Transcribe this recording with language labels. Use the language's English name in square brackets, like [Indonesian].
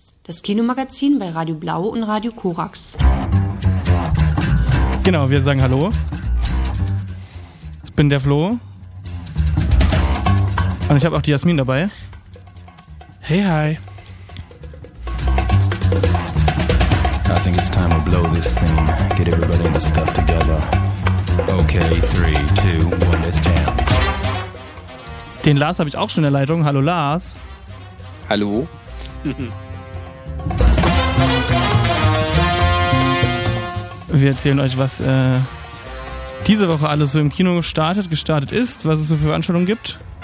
[German] Das Kinomagazin bei Radio Blau und Radio Korax. Genau, wir sagen Hallo. Ich bin der Flo. Und ich habe auch die Jasmin dabei. Hey, hi. [English] I think it's time to blow this scene. Get everybody in the stuff together. Okay, 3, 2, 1, let's jam. [German] Den Lars habe ich auch schon in der Leitung. Hallo, Lars. Hallo. Wir erzählen euch, was diese Woche alles so im Kino gestartet ist, was es so für Veranstaltungen gibt.